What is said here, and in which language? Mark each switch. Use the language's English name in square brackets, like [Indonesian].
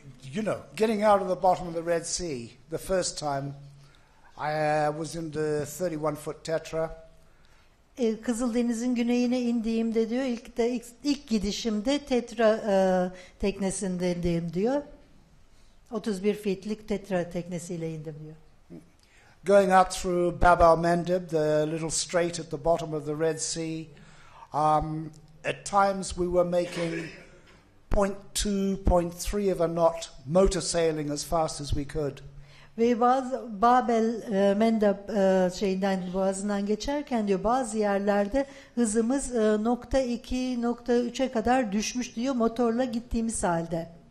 [English] You know, getting out of the bottom of the Red Sea the first time, I was in the 31-foot tetra. [Turkish] Kızıldeniz'in güneyine indiğimde diyor, ilk gidişimde tetra teknesinde indim diyor. 31 feetlik tetra teknesiyle indim diyor. [English] Going out through Bab al-Mandeb, the little strait at the bottom of the Red Sea, at times we were making 0.2, 0.3 of a knot motor sailing as fast as we could. [Turkish] Ve bazı Mendeb şeyinden boğazından geçerken diyor bazı yerlerde hızımız 0.2, 0.3'e kadar düşmüş diyor motorla gittiğimiz halde.